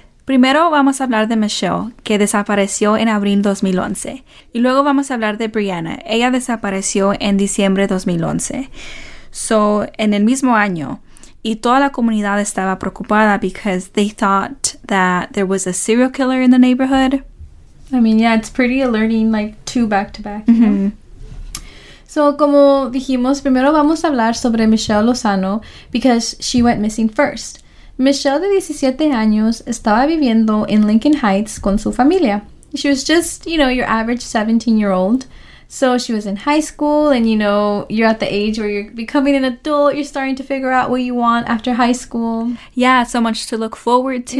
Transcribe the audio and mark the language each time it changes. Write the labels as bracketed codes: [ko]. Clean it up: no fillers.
[es] Primero vamos a hablar de Michelle, que desapareció en abril 2011, y luego vamos a hablar de Brianna. Ella desapareció en diciembre 2011, so en el mismo año, y toda la comunidad estaba preocupada [en] because they thought that there was a serial killer in the neighborhood. I mean, yeah, it's pretty alarming, like two back to back. [es] So, como dijimos, primero vamos a hablar sobre Michelle Lozano [en] because she went missing first. [es] Michelle, de 17 años, estaba viviendo en Lincoln Heights con su familia. [en] She was just, you know, your average 17-year-old. So, she was in high school and, you know, you're at the age where you're becoming an adult. You're starting to figure out what you want after high school. Yeah, so much to look forward to.